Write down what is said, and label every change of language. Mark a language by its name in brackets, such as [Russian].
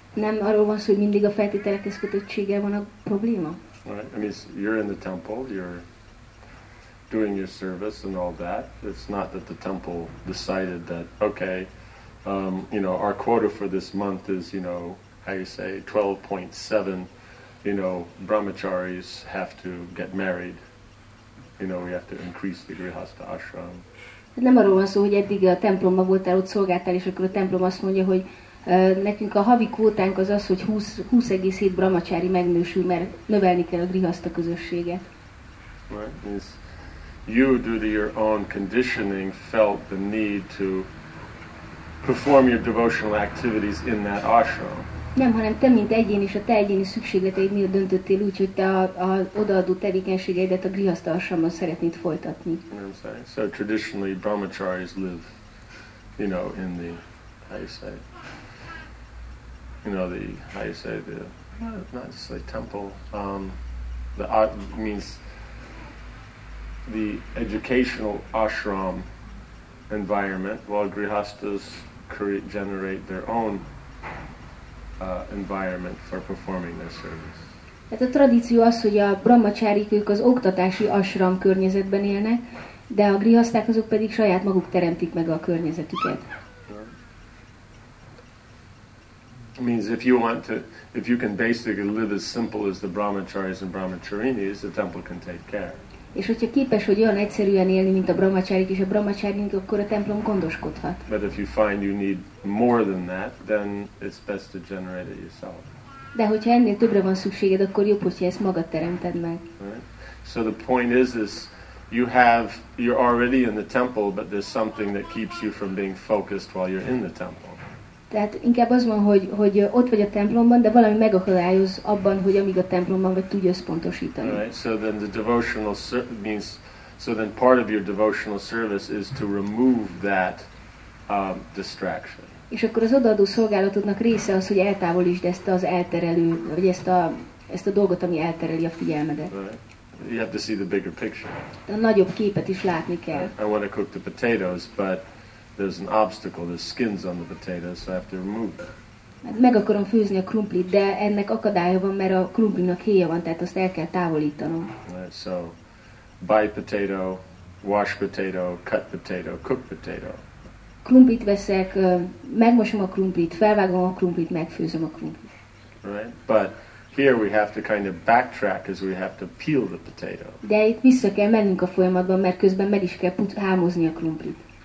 [Hungarian] Nem arról van szó, hogy mindig a feltételekhez kötöttsége van a probléma. [English] Right. I mean, you're in the temple, you're doing your service and all that. It's not that the temple decided that, okay, you know, our quota for this month is, you know, how you say, 12.7, you know, brahmacharis have to get married. You know, we have to increase the grihastha ashram. [Hungarian] Nem arról van szó, hogy eddig a templomban voltál, ott szolgáltál, és akkor a templom azt mondja, hogy nekünk a havi kvótánk az, hogy 20,7 brahmacsári megnősül, mert növelni kell a grihaszta közösséget. [English] Right. It's you, due to your own conditioning, felt the need to perform your devotional activities in that ashram. [Hungarian] Nem, hanem te, mint egyén és a te egyéni szükségleteid miatt döntöttél úgy, hogy te az odaadó tevékenységeidet a grihasztha ashramban szeretnéd folytatni. [English] I'm saying, so traditionally brahmacharis live, you know, in the, how you say, you know, the, how you say, the, not just like temple, the means the educational ashram environment, while grihasthas create, generate their own environment for performing their service. [Hungarian] Tehát a tradíció az, hogy a brahmacharik ők az oktatási ashram környezetben élnek, de a grihaszták azok pedig saját maguk teremtik meg a környezetüket. [English] It means if you want to, if you can basically live as simple as the brahmacharis and brahmacharinis, the temple can take care. [Hungarian] És hogyha képes vagy olyan egyszerűen élni, mint a brahmacharik és a brahmacharinik, akkor a templom gondoskodhat. [English] But if you find you need more than that, then it's best to generate it yourself. [Hungarian] De hogyha ennél többre van szükséged, akkor jobb, hogyha ezt magad teremted meg. [English] So the point is you have, you're already in the temple, but there's something that keeps you from being focused while you're in the temple. [Hungarian] Tehát inkább az van, hogy ott vagy a templomban, de valami megakadályoz abban, hogy amíg a templomban vagy, tudj összpontosítani. [English] Right. So then the devotional means, so then part of your devotional service is to remove that distraction. [Hungarian] És akkor az odaadó szolgálatodnak része az, hogy eltávolítsd ezt az elterelő, vagy ezt a dolgot, ami eltereli a figyelmedet. [English] Right. You have to see the bigger picture. [Hungarian] De a nagyobb képet is látni kell. [English] I want to cook the potatoes, but there's an obstacle, there's skins on the potatoes, so I have to remove that. [Hungarian] Meg akarom főzni a krumplit, de ennek akadálya van, mert a krumplinak héja van, tehát azt el kell távolítanom. [English] Right, so, buy potato, wash potato, cut potato, cook potato. [Hungarian] Krumplit veszek, megmosom a krumplit, felvágom a krumplit, megfőzöm a krumplit. [English] Right, but here we have to kind of backtrack as we have to peel the potato. [Hungarian] De itt vissza kell mennünk a folyamatban, mert közben meg is kell hámozni a krumplit.